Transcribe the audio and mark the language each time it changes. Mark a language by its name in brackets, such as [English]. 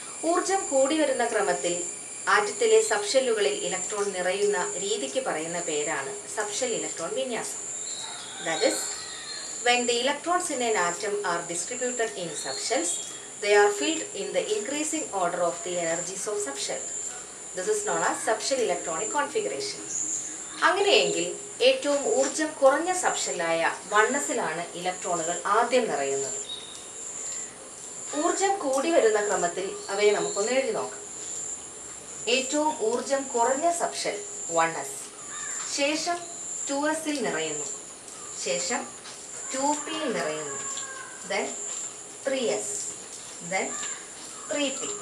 [Malayalam] ഊർജം കൂടി വരുന്ന ക്രമത്തിൽ ആറ്റത്തിലെ സബ്ഷെല്ലുകളിൽ ഇലക്ട്രോൺ നിറയുന്ന രീതിക്ക് പറയുന്ന പേരാണ് സബ്ഷെൽ ഇലക്ട്രോൺ വിന്യാസം. [English] That is when the electrons in an atom are distributed in subshells they are filled in the increasing order of the energies of subshell. This is known as subshell electronic configuration. [Malayalam] അങ്ങനെയെങ്കിൽ ഏറ്റവും ഊർജം കുറഞ്ഞ സബ്ഷെല്ലായ 1s-ലാണ് ഇലക്ട്രോണുകൾ ആദ്യം നിറയുന്നത്. ഊർജം കൂടി വരുന്ന ക്രമത്തിൽ അവയെ നമുക്കൊന്ന് എഴുതി നോക്കാം. ഏറ്റവും ഊർജം കുറഞ്ഞ സബ്ഷെൽ 1s, ശേഷം 2s-ൽ നിറയുന്നു, ശേഷം 2p നിറയുന്നു, ദെൻ 3s, ദെൻ 3p.